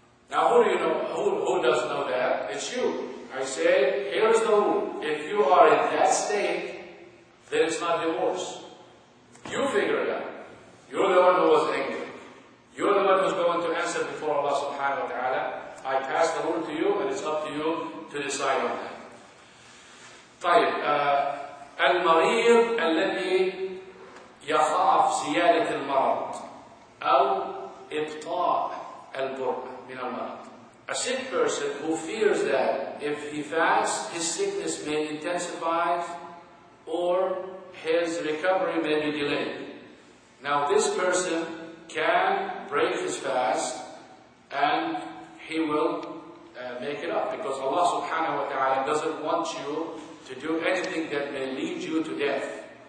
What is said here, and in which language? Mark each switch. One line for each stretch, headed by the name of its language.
English: Now, who do you know? Who does know that? It's you. I say, here's the rule. If you are in that state, then it's not divorce. You figure it out. You're the one who was angry. You're the one who's going to answer before Allah subhanahu wa ta'ala. I pass the rule to you, and it's up to you to decide on that.
Arabic: طيب, المريض الذي يخاف زيادة المرض أو إبطاء البرد من المرض.
English: A sick person who fears that if he fasts, his sickness may intensify or his recovery may be delayed. Now this person can break his fast and he will make it up because Allah subhanahu wa ta'ala doesn't want you to do anything that may lead you to death.